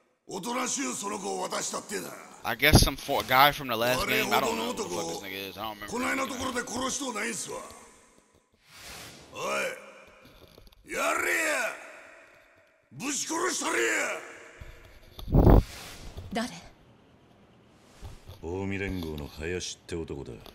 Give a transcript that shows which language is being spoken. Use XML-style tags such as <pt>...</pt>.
<ja>おとなしゅうその子を渡したってだ。</ja> <en>I guess some for a guy from the last game. I don't know who the fuck this nigga is. I don't remember.</en> <ja>こないなところで殺しとないんすわ。おい、やれや。ぶち殺したれや。誰？大海連合の林って男だ。</ja>